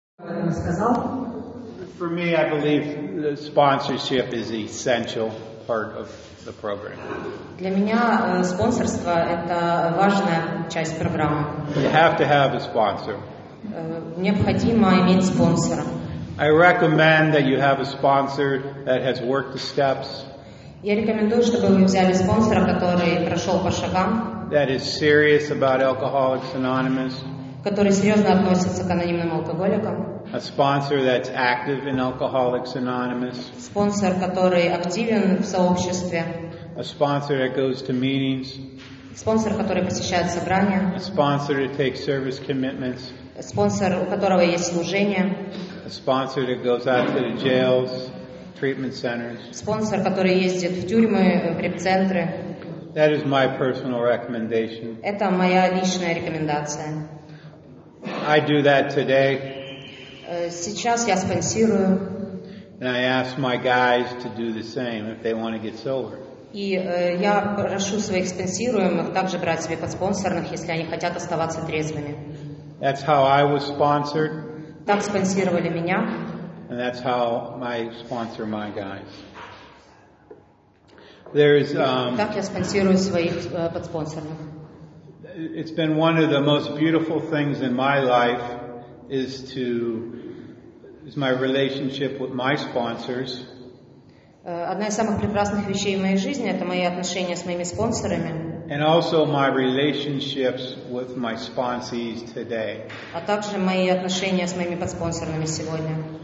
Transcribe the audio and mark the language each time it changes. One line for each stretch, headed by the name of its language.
English: For me, I believe the sponsorship is the essential part of the program.
Russian: Для меня спонсорство это важная часть программы.
English: You have to have a sponsor.
Russian: Необходимо иметь спонсора.
English: I recommend that you have a sponsor that has worked the steps.
Russian: Я рекомендую, чтобы вы взяли спонсора, который прошел по шагам.
English: That is serious about Alcoholics Anonymous.
Russian: Который серьезно относится к анонимным алкоголикам.
English: A sponsor that's active in Alcoholics Anonymous.
Russian: Спонсор, который активен в сообществе.
English: A sponsor that goes to meetings.
Russian: Спонсор, который посещает собрания.
English: A sponsor that takes service commitments.
Russian: Спонсор, у которого есть служение.
English: A sponsor that goes out to the jails, treatment centers.
Russian: Спонсор, который ездит в тюрьмы, в реабцентры.
English: That is my personal recommendation.
Russian: Это моя личная рекомендация.
English: I do that today.
Russian: Сейчас я спонсирую.
English: And I ask my guys to do the same if they want to get sober.
Russian: И я прошу своих спонсируемых также брать себе подспонсорных, если они хотят оставаться трезвыми.
English: That's how I was sponsored.
Russian: Так спонсировали меня.
English: And that's how I sponsor my guys. There's.
Russian: Так я спонсирую своих подспонсорных.
English: It's been one of the most beautiful things in my life is my relationship with my sponsors.
Russian: Одна из самых прекрасных вещей в моей жизни это мои отношения с моими спонсорами.
English: And also my relationships with my sponsees today.
Russian: А также мои отношения с моими подспонсорными сегодня.